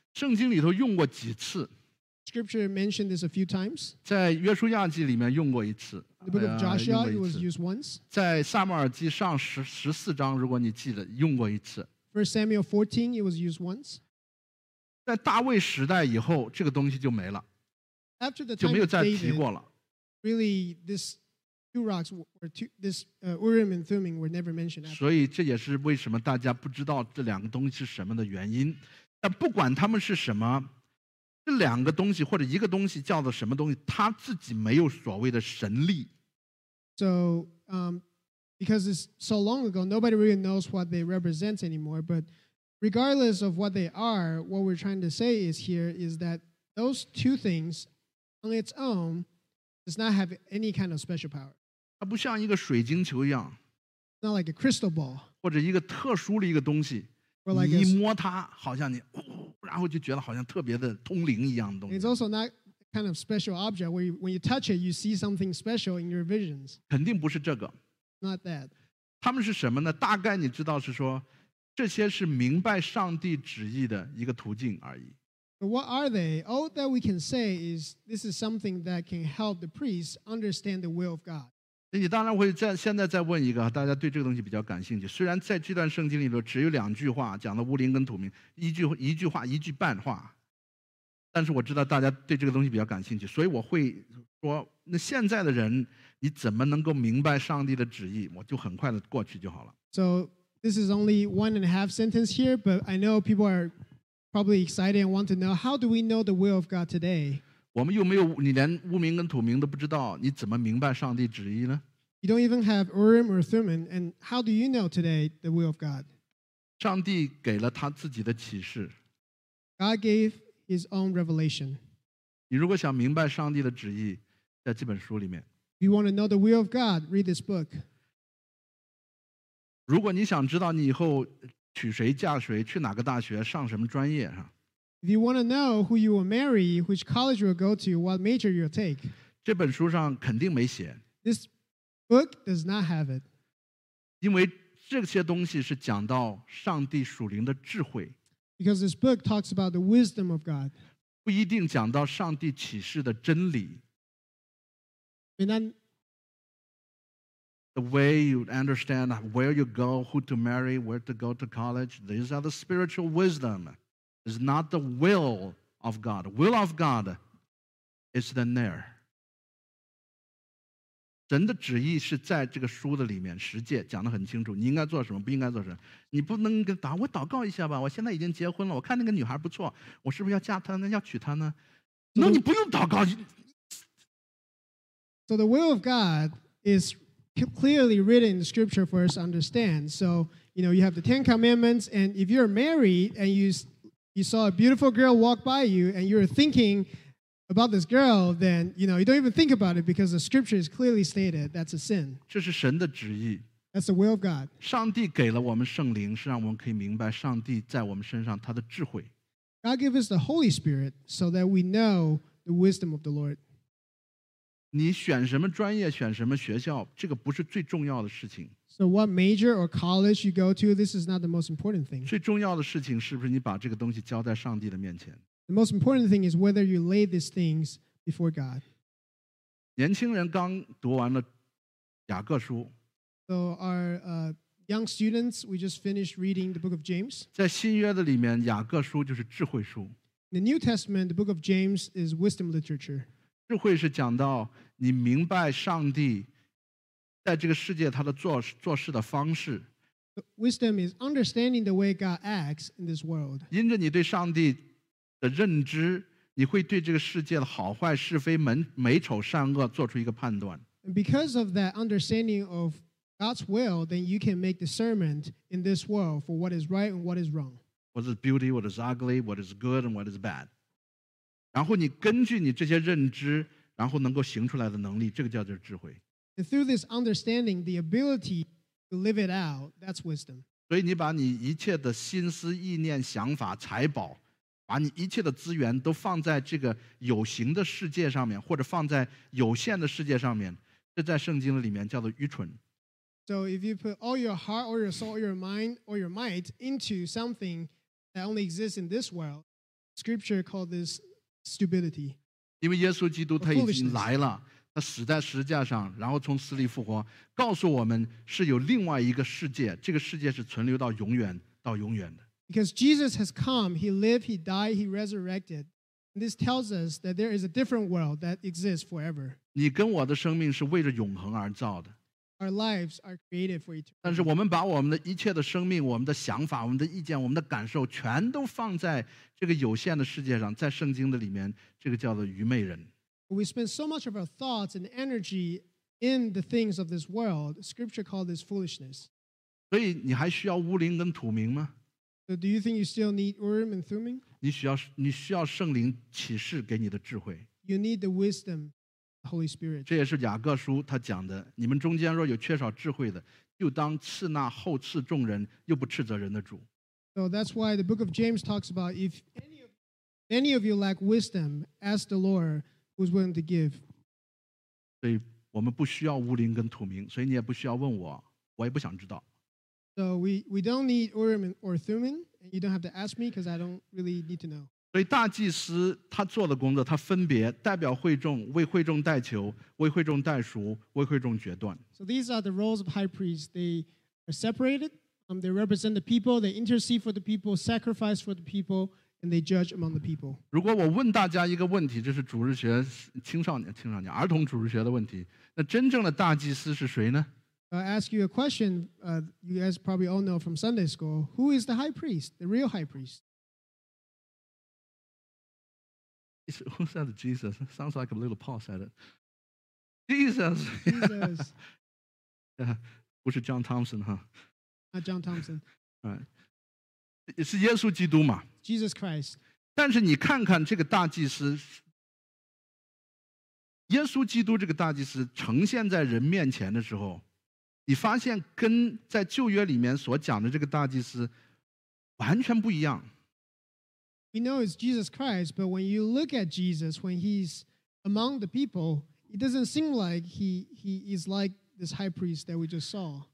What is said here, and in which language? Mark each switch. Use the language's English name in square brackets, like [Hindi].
[Chinese] 圣经里头用过几次。 [English] Scripture mentioned this a few times. [Chinese] 在约书亚记里面用过一次。 [English] The book of Joshua it was used once. [Chinese] 在撒母耳记上十四章，如果你记得，用过一次。 [English] First Samuel 14 it was used once. [Chinese] 在大卫时代以后，这个东西就没了。 [English] After the time [Chinese] 就没有再提过了。 [English] Really, this two rocks were two, this Urim and Thummim were never mentioned. [Chinese] 所以这也是为什么大家不知道这两个东西是什么的原因。但不管他们是什么，这两个东西或者一个东西叫做什么东西，他自己没有所谓的神力。 [English] So, because it's so long ago, nobody really knows what they represent anymore, but regardless of what they are, what we're trying to say is here is that those two things on its own does not have any kind of special power. [Chinese] 它不像一个水晶球一样。 [English] Not like a crystal ball. [Chinese] 或者一个特殊的一个东西。 [English] Or like [Chinese] 你一摸它好像你、哦、然后就觉得好像特别的通灵一样的东西。 [English] It's also not a kind of special object where you, when you touch it, you see something special in your visions. [Chinese] 肯定不是这个。 [English] Not that. [Chinese] 它们是什么呢？大概你知道是说这些是明白上帝旨意的一个途径而已。 [English] But what are they? All that we can say is this is something that can help the priests understand the will of God. [Chinese] 你当然会在现在再问一个，大家对这个东西比较感兴趣。虽然在这段圣经里头只有两句话讲的乌灵跟土明，一句话一句半话，但是我知道大家对这个东西比较感兴趣，所以我会说，那现在的人你怎么能够明白上帝的旨意？我就很快的过去就好了。 [English] So. This is only one and a half sentence here, but I know people are probably excited and want to know how do we know the will of God today? [Chinese] 我们又没有你连乌明跟土明都不知道，你怎么明白上帝旨意呢？ [English] You don't even have Urim or Thummim, and how do you know today the will of God? [Chinese] 上帝给了他自己的启示。 [English] God gave his own revelation. [Chinese] 你如果想明白上帝的旨意，在这本书里面。 [English] If you want to know the will of God, read this book. [Chinese] 如果你想知道你以后娶谁嫁谁，去哪个大学上什么专业，哈。 [English] If you want to know who you will marry, which college you will go to, what major you will take. [Chinese] 这本书上肯定没写。 [English] This book does not have it. [Chinese] 因为这些东西是讲到上帝属灵的智慧。 [English] Because this book talks about the wisdom of God. [Chinese] 不一定讲到上帝启示的真理。 [English] The way you understand where you go, who to marry, where to go to college, these are the spiritual wisdom. It's not the will of God. Will of God is the near. [Chinese] 神的旨意是在这个书的里面实践，讲得很清楚，你应该做什么，不应该做什么。你不能跟他，我祷告一下吧，我现在已经结婚了，我看那个女孩不错，我是不是要嫁她呢，要娶她呢？那你不用祷告。 [English] So the will of God is... clearly written in the scripture for us to understand. So, you know, you have the Ten Commandments, and if you're married and you saw a beautiful girl walk by you and you're thinking about this girl, then, you know, you don't even think about it because the scripture is clearly stated that's a sin. [Chinese] 这是神的旨意。 [English] That's the will of God. [Chinese] 上帝给了我们圣灵，是让我们可以明白上帝在我们身上他的智慧。 [English] God gave us the Holy Spirit so that we know the wisdom of the Lord. [Chinese] 你选什么专业，选什么学校，这个不是最重要的事情。 [English] So what major or college you go to, this is not the most important thing. [Chinese] 最重要的事情是不是你把这个东西交在上帝的面前。 [English] The most important thing is whether you lay these things before God. [Chinese] 年轻人刚读完了雅各书。 [English] So our young students, we just finished reading the book of James. [Chinese] 在新约的里面，雅各书就是智慧书。 [English] In the New Testament, the book of James is wisdom literature. [Chinese] 智慧是讲到你明白上帝在这个世界他的 做事的方式。 [English] Wisdom is understanding the way God acts in this world. [Chinese] 因着你对上帝的认知，你会对这个世界的好坏是非美丑善恶做出一个判断。 [English] Because of that understanding of God's will, then you can make discernment in this world for what is right and what is wrong. What is beauty, what is ugly, what is good and what is bad. [Chinese] 然后你根据你这些认知，然后能够行出来的能力，这个叫做智慧。 [English] And through this understanding, the ability to live it out, that's wisdom. [Chinese] 所以你把你一切的心思、意念、想法、财宝，把你一切的资源都放在这个有形的世界上面，或者放在有限的世界上面，这在圣经里面叫做愚蠢。 [English] So if you put all your heart, or your soul, or your mind, or your might into something that only exists in this world, Scripture called this. Stupidity. [Chinese] 因为耶稣基督他已经来了，他死在十字架上，然后从死里复活，告诉我们是有另外一个世界，这个世界是存留到永远，到永远的。 [English] Because Jesus has come, he lived, he died, he resurrected. And this tells us that there is a different world that exists forever. [Chinese] 你跟我的生命是为着永恒而造的。 [English] Our lives are created for eternity. [Chinese] 但是我们把我们的一切的生命、我们的想法、我们的意见、我们的感受全都放在这个有限的世界上，在圣经的里面，这个叫做愚昧人。 [English] We spend so much of our thoughts and energy in the things of this world. Scripture called this foolishness. [Chinese] 所以你还需要乌灵跟土明吗？ [English] So do you think you still need Urim and Thummim? [Chinese] 你需要圣灵启示给你的智慧。 [English] You need the wisdom, the Holy Spirit. [Chinese] 这也是雅各书他讲的，你们中间若有缺少智慧的，就当赐那厚赐众人又不斥责人的主。 [English] So that's why the book of James talks about if any of you lack wisdom, ask the Lord who's willing to give. [Chinese] 所以我们不需要乌灵跟土明，所以你也不需要问我，我也不想知道。 [English] So we don't need Urim or Thummim, and you don't have to ask me because I don't really need to know. [Chinese] 所以大祭司他做的工作，他分别代表会众，为会众代求，为会众代赎，为会众决断。 [English] So these are the roles of high priests. They are separated. They represent the people. They intercede for the people, sacrifice for the people, and they judge among the people. [Chinese] 如果我问大家一个问题，这是主日学青少年儿童主日学的问题，那真正的大祭司是谁呢？ [English] I'll ask you a question you guys probably all know from Sunday school. Who is the high priest, the real high priest? Who said Jesus? Sounds like a little Paul said it. Jesus! Jesus. Yeah. [Chinese] 不是 [English] John Thompson, huh? Not John Thompson. Right. [Chinese] 是耶稣基督嘛? [English] Jesus Christ. [Chinese] 但是你看看这个大祭司耶稣基督这个大祭司呈现在人面前的时候你发现跟在旧约里面所讲的这个大祭司完全不一样。 [English] We know it's Jesus Christ, but when you look at Jesus, when he's among the people, it doesn't seem like he is like this high priest that we just saw.